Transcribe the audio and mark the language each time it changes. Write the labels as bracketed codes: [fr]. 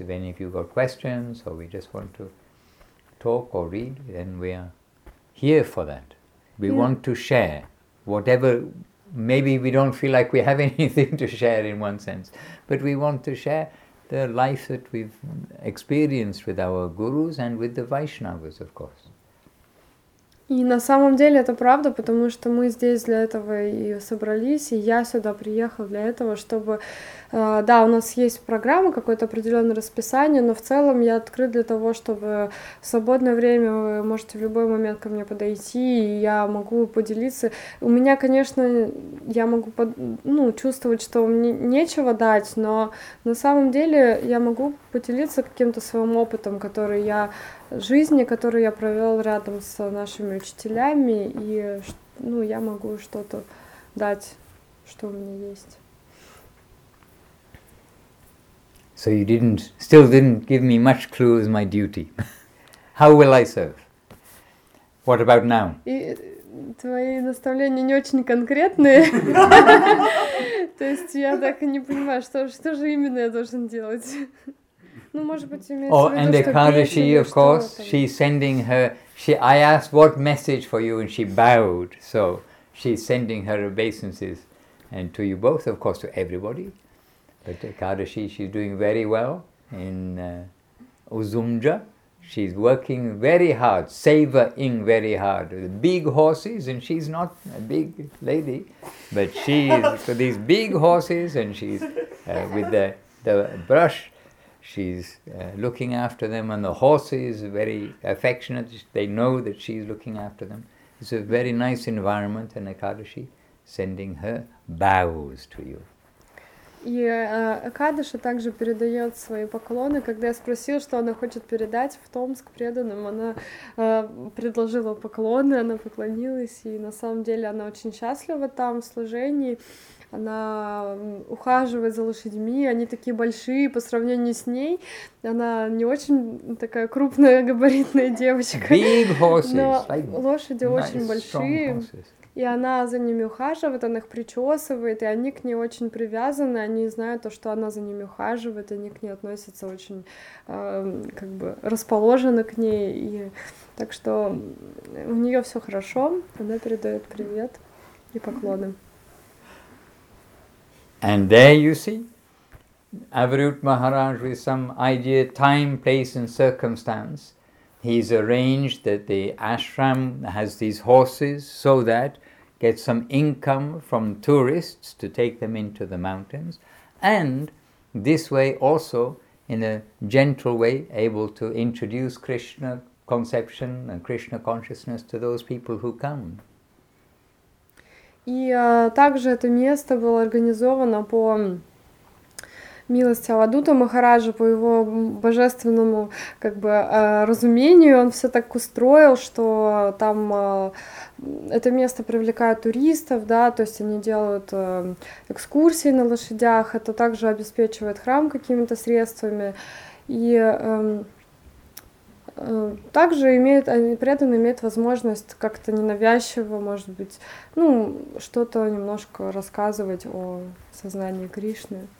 [en] If any of you got questions or we just want to talk or read, then we are here for that. We want to share whatever. Maybe we don't feel like we have anything to share in one sense, but we want to share the life that we've experienced with our gurus and with the Vaishnavas, of course. [ru] И на самом деле это правда, потому что мы здесь для этого и собрались, и я сюда приехал для этого, чтобы, да, у нас есть программа, какое-то определенное расписание, но в целом я открыт для того, чтобы в свободное время вы можете в любой момент ко мне подойти, и я могу поделиться. У меня, конечно, я могу чувствовать, что мне нечего дать, но на самом деле я могу поделиться каким-то своим опытом, который я... жизни, которую я провел рядом с нашими учителями, и я могу что-то дать, что у меня есть. [en] So you still didn't give me much clues my duty. How will I serve? What about now? [ru] И твои наставления не очень конкретные. То есть я так и не понимаю, что же именно я должен делать. [en] And Ekadashi, of course, she's sending her. I asked what message for you, and she bowed. So she's sending her obeisances, and to you both, of course, to everybody. But Ekadashi, she's doing very well in Uzumja. She's working very hard, savoring very hard. The big horses, and she's not a big lady, but she's for these big horses, and she's with the brush. She's looking after them, and the horse is very affectionate. They know that she's looking after them. It's a very nice environment, and Ekadashi sending her bows to you. [ru] И Экадаши также передает свои поклоны. Когда я спросил, что она хочет передать в Томск преданным, она предложила поклоны, она поклонилась, и на самом деле она очень счастлива там в служении. Она ухаживает за лошадьми, они такие большие по сравнению с ней. Она не очень такая крупная габаритная девочка, [en] big horses, [ru] но лошади nice, очень большие. И она за ними ухаживает, она их причесывает, и они к ней очень привязаны, они знают то, что она за ними ухаживает, они к ней относятся очень, расположены к ней. И... Так что у нее все хорошо, она передает привет и поклоны. [en] And there you see, Avadhut Maharaj with some idea, time, place and circumstance, he's arranged that the ashram has these horses so that get some income from tourists to take them into the mountains, and this way also, in a gentle way, able to introduce Krishna conception and Krishna consciousness to those people who come. [ru] И также это место было организовано по милости Авадута Махараджа, по его божественному как бы разумению, он все так устроил, что там это место привлекает туристов, да, то есть они делают экскурсии на лошадях, это также обеспечивает храм какими-то средствами, и также имеют, они преданные имеют возможность как-то ненавязчиво, может быть, ну, что-то немножко рассказывать о сознании Кришны.